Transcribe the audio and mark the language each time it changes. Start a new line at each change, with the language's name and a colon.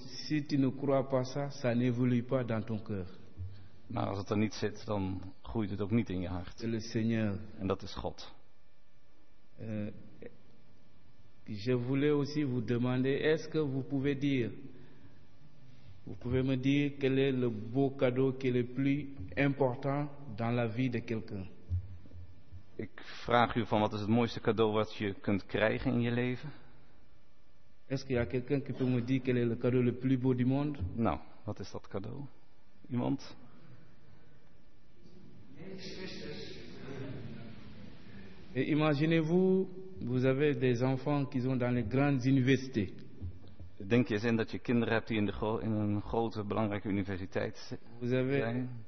French: Si tu ne crois pas ça, ça n'évolue pas dans ton cœur.
Dutch: Maar als het er niet zit, dan groeit het ook niet in je hart.
French: Le Seigneur.
Dutch: En dat is God.
French: Je voulais aussi vous demander, est-ce que vous pouvez me dire quel est le beau cadeau qui est le plus important dans la vie de quelqu'un?
Dutch: Ik vraag u van wat is het mooiste cadeau wat je kunt krijgen in je leven?
French: Est-ce qu'il y a quelqu'un qui peut me dire quel est le cadeau le plus beau du monde?
Dutch: Nou, wat is dat cadeau? Iemand?
French: Et imaginez-vous, vous avez des enfants qui sont dans les grandes universités.
Dutch: Denk je eens in dat je kinderen hebt die in een grote, belangrijke universiteit zijn.